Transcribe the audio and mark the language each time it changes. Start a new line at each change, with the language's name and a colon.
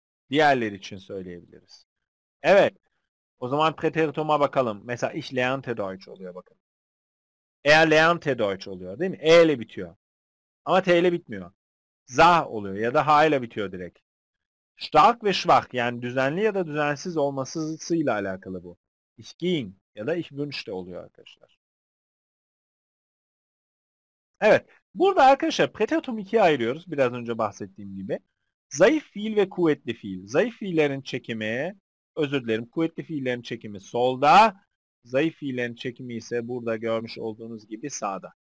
Turkish: Diğerleri için söyleyebiliriz. Evet. O zaman preteritum'a bakalım. Mesela
German: ich lernte Deutsch
Turkish: oluyor bakın.
German: Er lernte Deutsch
Turkish: oluyor değil mi? E ile bitiyor. Ama T ile bitmiyor. Za oluyor ya da H ile bitiyor direkt. Stark ve schwach yani düzenli ya da düzensiz olmasıyla alakalı bu.
German: Ich ging
Turkish: ya da
German: ich wünschte
Turkish: oluyor arkadaşlar. Evet. Burada arkadaşlar preteritum ikiye ayırıyoruz. Biraz önce bahsettiğim gibi. Zayıf fiil ve kuvvetli fiil. Zayıf fiillerin çekimi... Özür dilerim. Kuvvetli fiillerin çekimi solda. Zayıf fiillerin çekimi ise burada görmüş olduğunuz gibi sağda.